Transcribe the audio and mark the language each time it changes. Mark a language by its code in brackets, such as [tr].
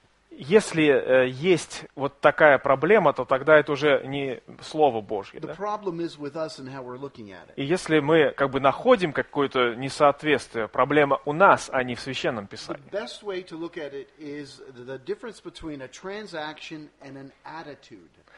[ru] Если есть вот такая проблема, то тогда это уже не Слово Божье. [en] The problem is with us and how we're looking at it. [ru] И если мы как бы находим какое-то несоответствие, проблема у нас, а не в Священном Писании. [en] The best way to look at it is the difference between a transaction and an attitude.